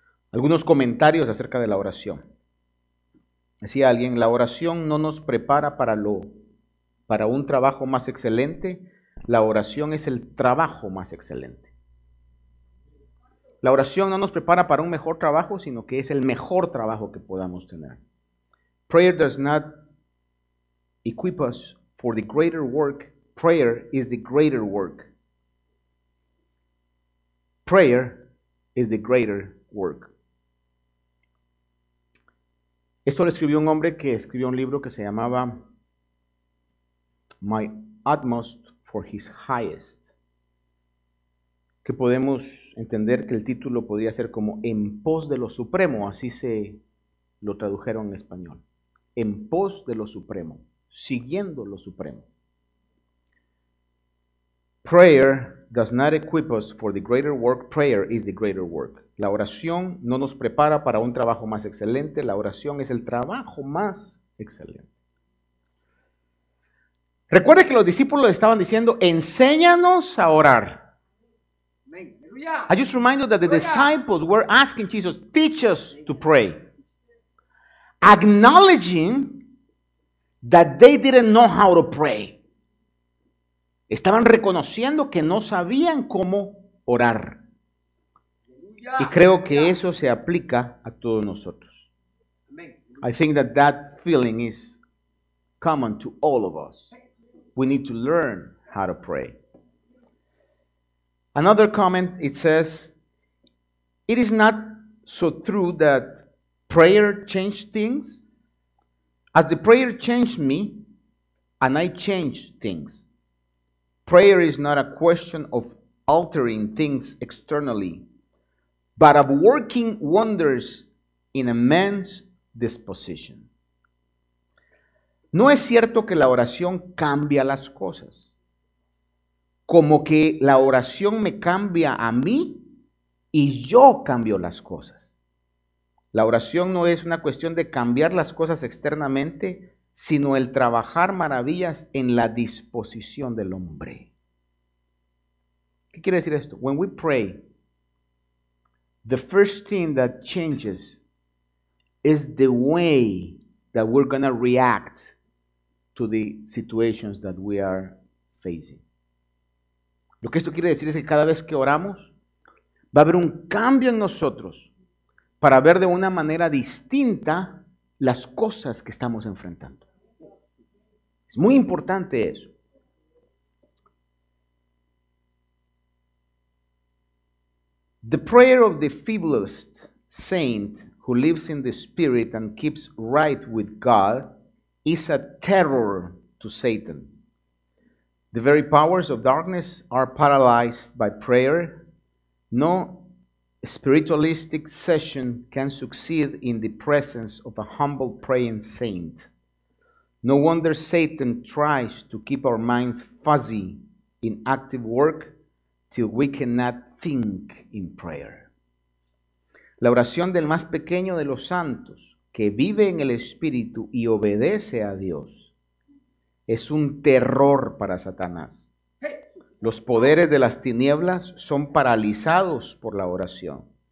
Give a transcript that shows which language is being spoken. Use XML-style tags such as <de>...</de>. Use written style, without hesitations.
<es>Algunos comentarios acerca de la oración. Decía alguien, la oración no nos prepara para un trabajo más excelente. La oración es el trabajo más excelente. La oración no nos prepara para un mejor trabajo, sino que es el mejor trabajo que podamos tener.</es> <en>Prayer does not equip us for the greater work. Prayer is the greater work. Prayer is the greater work.</en> <es>Esto lo escribió un hombre que escribió un libro que se llamaba My Utmost for His Highest. Que podemos entender que el título podría ser como En pos de lo supremo. Así se lo tradujeron en español. En pos de lo supremo. Siguiendo lo supremo.</es> <en>Prayer does not equip us for the greater work. Prayer is the greater work.</en> <es>La oración no nos prepara para un trabajo más excelente. La oración es el trabajo más excelente. Recuerda que los discípulos estaban diciendo, enséñanos a orar.</es> <en>I just remind you that the disciples were asking Jesus, teach us to pray. Acknowledging that they didn't know how to pray.</en> <es>Estaban reconociendo que no sabían cómo orar. Y creo que eso se aplica a todos nosotros.</es> <en>I think that that feeling is common to all of us. We need to learn how to pray. Another comment, it says, it is not so true that prayer changed things. As the prayer changed me, and I changed things. Prayer is not a question of altering things externally, but of working wonders in a man's disposition.</en> <es>No es cierto que la oración cambia las cosas. Como que la oración me cambia a mí y yo cambio las cosas. La oración no es una cuestión de cambiar las cosas externamente, sino el trabajar maravillas en la disposición del hombre. ¿Qué quiere decir esto?</es> <en>When we pray, the first thing that changes is the way that we're going to react to the situations that we are facing.</en> <es>Lo que esto quiere decir es que cada vez que oramos, va a haber un cambio en nosotros para ver de una manera distinta las cosas que estamos enfrentando. Es muy importante eso.</es> <en>The prayer of the feeblest saint who lives in the spirit and keeps right with God is a terror to Satan. The very powers of darkness are paralyzed by prayer. No spiritualistic session can succeed in the presence of a humble praying saint. No wonder Satan tries to keep our minds fuzzy in active work till we cannot think in prayer.</en> <es>La oración del más pequeño de los santos, que vive en el Espíritu y obedece a Dios, es un terror para Satanás. Los poderes de las tinieblas son paralizados por la oración.</es>